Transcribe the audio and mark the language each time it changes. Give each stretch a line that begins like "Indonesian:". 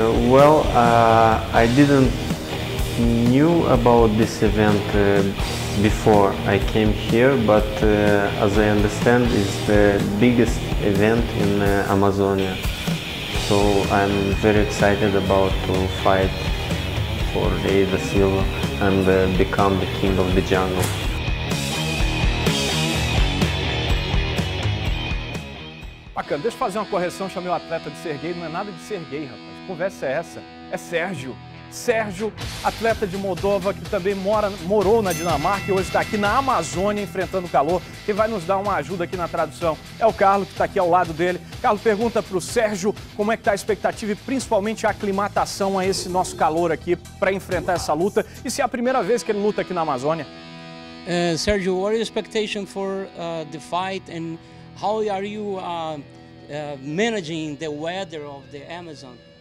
English: Well, I didn't knew about this event before I came here, but as I understand, it's the biggest event in Amazonia. So I'm very excited about to fight for Rei da Silva and become the king of the jungle.
Portuguese: Bacana, deixa eu fazer uma correção, chamei o atleta de Sergei, não é nada de Sergei, rapaz. Que conversa é essa? É Sérgio. Sérgio, atleta de Moldova, que também morou na Dinamarca e hoje está aqui na Amazônia enfrentando o calor. Quem vai nos dar uma ajuda aqui na tradução é o Carlos, que está aqui ao lado dele. Carlos, pergunta para o Sérgio como é que está a expectativa e principalmente a aclimatação a esse nosso calor aqui para enfrentar essa luta. E se é a primeira vez que ele luta aqui na Amazônia?
English: Sérgio, what are your expectations for the fight and how are you managing the weather of the Amazon?